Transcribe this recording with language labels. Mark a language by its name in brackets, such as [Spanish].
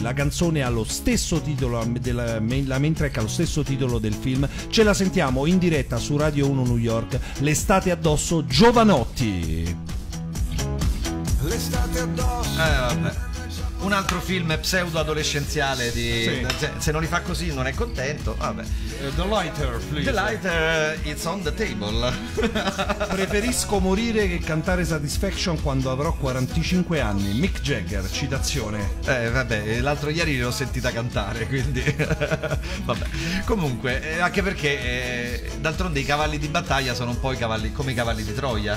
[Italian] La canzone ha lo stesso titolo della mentre ha lo stesso titolo del film. Ce la sentiamo in diretta su Radio 1 New York, L'estate addosso, Giovanotti. L'estate addosso. Un altro film pseudo adolescenziale di se non li fa così non è contento. Vabbè. [English] The lighter, please. The lighter, it's on the table. [Italian] Preferisco morire che cantare Satisfaction quando avrò 45 anni. Mick Jagger, citazione. Vabbè, l'altro ieri l'ho sentita cantare, quindi vabbè. Comunque, anche perché d'altronde i cavalli di battaglia sono un po' come i cavalli di Troia.